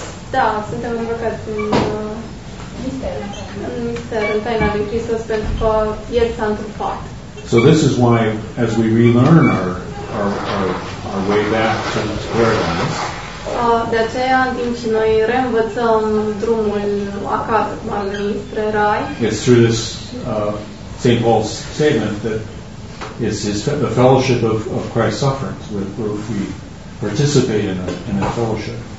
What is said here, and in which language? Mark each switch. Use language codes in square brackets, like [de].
[ro] Da, suntem îmbrăcați în mister, în taina lui Hristos, pentru că El s-a întrupat. [en] So this is why, as we relearn our way back to paradise. [ro] De aceea, în timp ce noi reînvățăm drumul acasă, mai spre Rai. [en] It's through this St. Paul's statement that it's the fellowship of Christ's sufferings with which we participate in a fellowship.